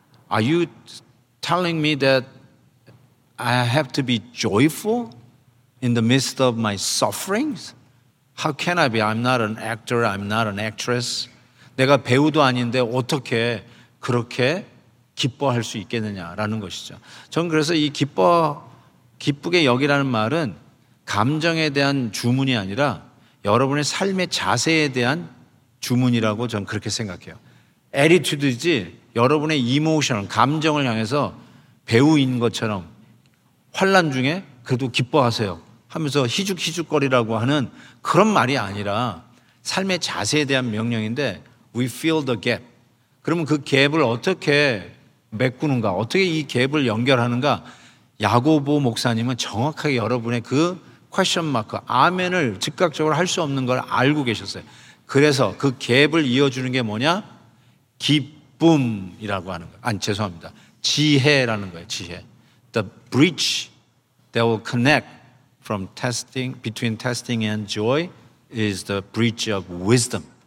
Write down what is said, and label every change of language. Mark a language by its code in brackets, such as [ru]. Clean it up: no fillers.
[en] Are you telling me that I have to be joyful in the midst of my sufferings? How can I be? I'm not an actor, I'm not an actress. [ko] 내가 배우도 아닌데 어떻게 그렇게 기뻐할 수 있겠느냐라는 것이죠. 전 그래서 이 기쁘게 여기라는 말은 감정에 대한 주문이 아니라 여러분의 삶의 자세에 대한 주문이라고 저는 그렇게 생각해요. 애티튜드지 여러분의 이모션, 감정을 향해서 배우인 것처럼 환난 중에 그래도 기뻐하세요 하면서 희죽희죽거리라고 하는 그런 말이 아니라 삶의 자세에 대한 명령인데 [en] We feel the gap. [ko] 그러면 그 갭을 어떻게 메꾸는가, 어떻게 이 갭을 연결하는가, 야고보 목사님은 정확하게 여러분의 그 퀘션 마크, 아멘을 즉각적으로 할 수 없는 걸 알고 계셨어요. 그래서 그 갭을 이어주는 게 뭐냐? 기쁨이라고 하는 거예요. 아니, 죄송합니다. 지혜라는 거예요, 지혜. [en] The bridge that will connect from testing, between testing and joy is the bridge of wisdom.